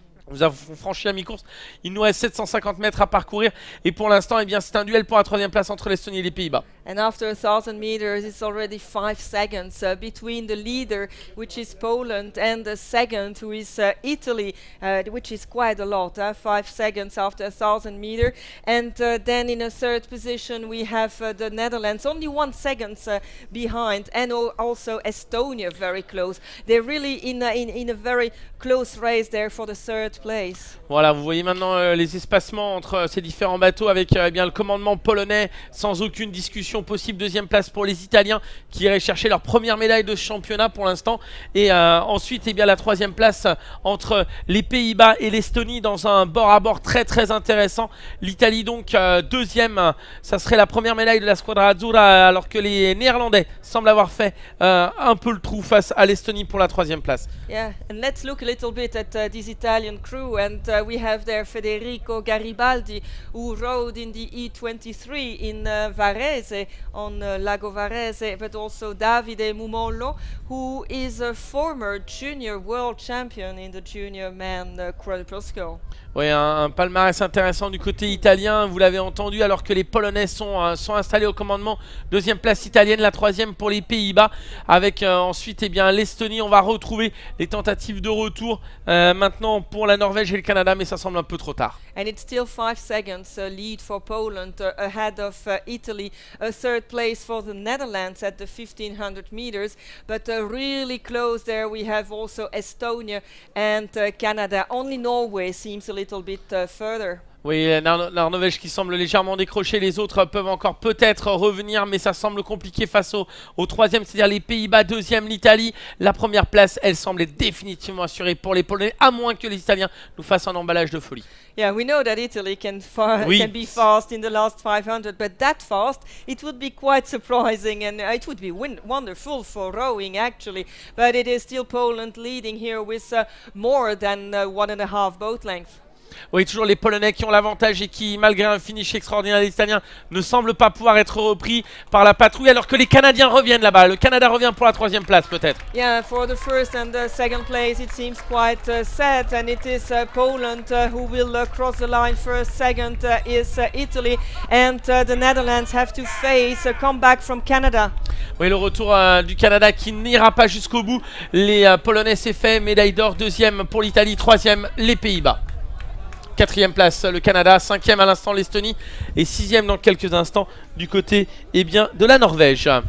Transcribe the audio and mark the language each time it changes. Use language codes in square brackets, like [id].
[fr] Nous avons franchi la mi-course. Il nous reste 750 mètres à parcourir. Et pour l'instant, eh bien, c'est un duel pour la troisième place entre l'Estonie et les Pays-Bas. [en] And after 1,000 meters, it's already 5 seconds between the leader, which is Poland, and the second, who is Italy, which is quite a lot. 5 seconds after 1,000 meters, and then in a third position we have the Netherlands, only 1 second behind, and also Estonia, very close. They're really in a very close race there for the third place. [fr] Voilà, vous voyez maintenant les espacements entre ces différents bateaux avec eh bien le commandement polonais sans aucune discussion. Possible deuxième place pour les Italiens qui iraient chercher leur première médaille de championnat pour l'instant, et ensuite eh bien la troisième place entre les Pays-Bas et l'Estonie dans un bord à bord très très intéressant. L'Italie donc deuxième, ça serait la première médaille de la Squadra Azzurra, alors que les Néerlandais semblent avoir fait un peu le trou face à l'Estonie pour la troisième place. [en] Yeah, and let's look a little bit at this Italian crew, and we have there Federico Garibaldi who rode in the E23 in Varese on Lago Varese, but also Davide Mumollo, who is a former junior world champion in the junior man quadruple. [fr] Oui, un palmarès intéressant du côté italien, vous l'avez entendu, alors que les Polonais sont installés au commandement. Deuxième place italienne, la troisième pour les Pays-Bas, avec ensuite eh bien, l'Estonie. On va retrouver les tentatives de retour maintenant pour la Norvège et le Canada, mais ça semble un peu trop tard. [en] And it's still 5 seconds lead for Poland, ahead of Italy, a third place for the Netherlands at the 1500 meters, but really close there we have also Estonia and Canada, only Norway seems a little bit further. [fr] Oui, la Norvège qui semble légèrement décrochée. Les autres peuvent encore peut-être revenir, mais ça semble compliqué face au troisième, c'est-à-dire les Pays-Bas, deuxième l'Italie. La première place, elle semble être définitivement assurée pour les Polonais, à moins que les Italiens nous fassent un emballage de folie. [en] Yeah, we know that Italy can can be fast in the last 500, but that fast, it would be quite surprising, and it would be wonderful for rowing actually. But it is still Poland leading here with more than 1.5 boat length. [fr] Oui, toujours les Polonais qui ont l'avantage et qui, malgré un finish extraordinaire des Italiens, ne semblent pas pouvoir être repris par la patrouille, alors que les Canadiens reviennent là-bas. Le Canada revient pour la troisième place, peut-être. [en] Yeah, for the first and the second place, it seems quite sad, and it is Poland who will cross the line first. Second is Italy, and the Netherlands have to face a comeback from Canada. [fr] Oui, le retour du Canada qui n'ira pas jusqu'au bout. Les Polonais, c'est fait. Médaille d'or, deuxième pour l'Italie, troisième les Pays-Bas. Quatrième place le Canada, cinquième à l'instant l'Estonie, et sixième dans quelques instants du côté eh bien, de la Norvège.